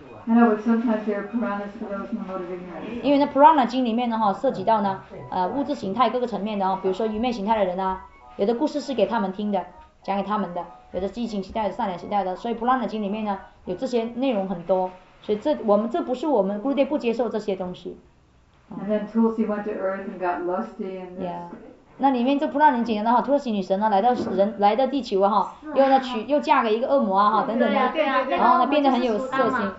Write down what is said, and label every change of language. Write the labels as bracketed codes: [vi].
[en] I know, but sometimes there are Puranas for those who are motivated in that. [zh] 因为那 Purana 经里面的话涉及到呢物质形态各个层面的哦，比如说愚昧形态的人啊，有的故事是给他们听的，讲给他们的，有的激情形态的善良形态的，所以 Purana 经里面呢有这些内容很多，所以这不是我们 Gurudev 不接受这些东西。 [en] And then Tulsi went to earth and got lusty and this. Yeah. [zh] 那里面这普拉尼姐呢，托西女神呢，来到地球哈、啊，又呢娶又嫁给一个恶魔啊哈等等的，然后呢变得很有色心。